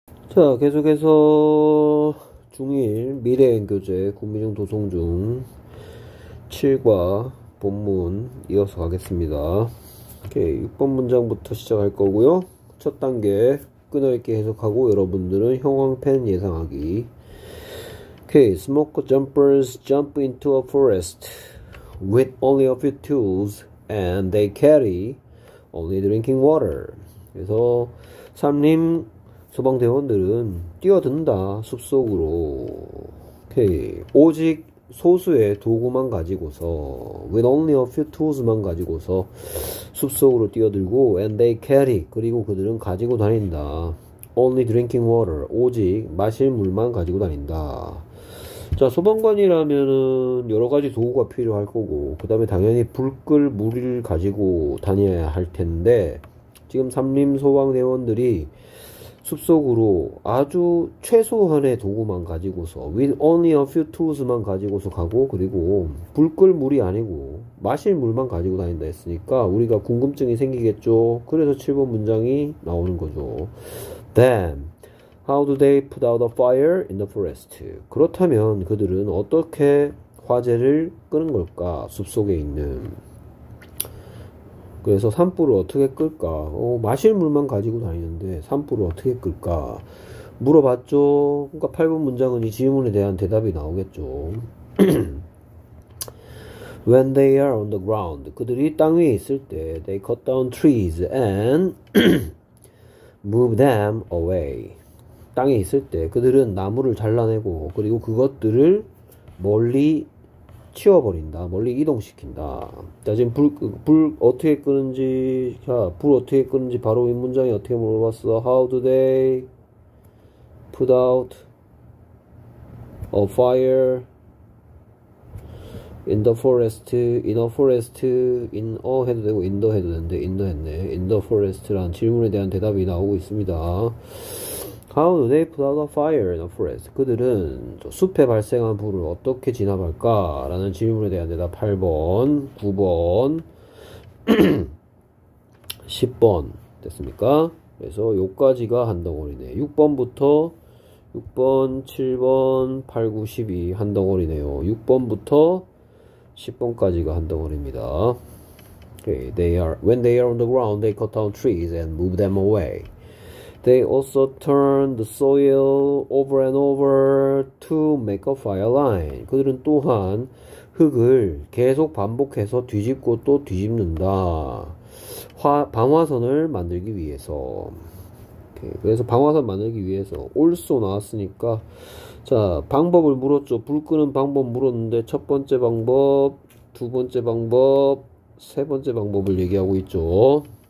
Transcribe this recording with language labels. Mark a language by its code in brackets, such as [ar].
[ko] 자, 계속해서 중1 미래형 교재 국민형 도송 중 7과 본문 이어서 가겠습니다. 오케이, 6번 문장부터 시작할 거고요. 첫 단계 끊어읽기 해석하고 여러분들은 형광펜 예상하기. [en] 오케이, smoke jumpers jump into a forest with only a few tools and they carry only drinking water. [ko] 그래서 3님 소방대원들은 뛰어든다, 숲속으로. 오케이. 오직 소수의 도구만 가지고서, [en] with only a few tools [ko] 만 가지고서, 숲속으로 뛰어들고, [en] and they carry, [ko] 그리고 그들은 가지고 다닌다. [en] Only drinking water, [ko] 오직 마실 물만 가지고 다닌다. 자, 소방관이라면은 여러 가지 도구가 필요할 거고, 그 다음에 당연히 불 끌, 물을 가지고 다녀야 할 텐데, 지금 삼림 소방대원들이, 숲속으로 아주 최소한의 도구만 가지고서 [en] with only a few tools [ko] 만 가지고서 가고 그리고 불끌 물이 아니고 마실 물만 가지고 다닌다 했으니까 우리가 궁금증이 생기겠죠. 그래서 7번 문장이 나오는 거죠. [en] Then, how do they put out a fire in the forest? [ko] 그렇다면 그들은 어떻게 화재를 끄는 걸까? 숲속에 있는 그래서 산불을 어떻게 끌까? 마실 물만 가지고 다니는데 산불을 어떻게 끌까? 물어봤죠. 그러니까 8번 문장은 이 질문에 대한 대답이 나오겠죠. [en] When they are on the ground, [ko] 그들이 땅 위에 있을 때, [en] they cut down trees and move them away. [ko] 땅에 있을 때 그들은 나무를 잘라내고 그리고 그것들을 멀리 치워버린다. 멀리 이동시킨다. 자, 지금 불 어떻게 끄는지, 자, 불 어떻게 끄는지 바로 이 문장이 어떻게 물어봤어? [en] How do they put out a fire in the forest? In a forest, in a [ko] 해도 되고, [en] in the [ko] 해도 되는데, [en] in the [ko] 했네. In the forest라는 질문에 대한 대답이 나오고 있습니다. [en] How do they put out a fire in a forest? [ko] 그들은 숲에 발생한 불을 어떻게 진압할까라는 질문에 대한 대답 8번, 9번, 10번 됐습니까? 그래서 요까지가 한 덩어리네. 6번부터 6번, 7번, 8, 9, 10이 한 덩어리네요. 6번부터 10번까지가 한 덩어리입니다. [en] Okay, when they are on the ground, they cut down trees and move them away. They also turn the soil over and over to make a fire line. [ko] 그들은 또한 흙을 계속 반복해서 뒤집고 또 뒤집는다. 방화선을 만들기 위해서. 오케이. 그래서 방화선 만들기 위해서 also 나왔으니까 자, 방법을 물었죠. 불 끄는 방법 물었는데 첫 번째 방법, 두 번째 방법, 세 번째 방법을 얘기하고 있죠.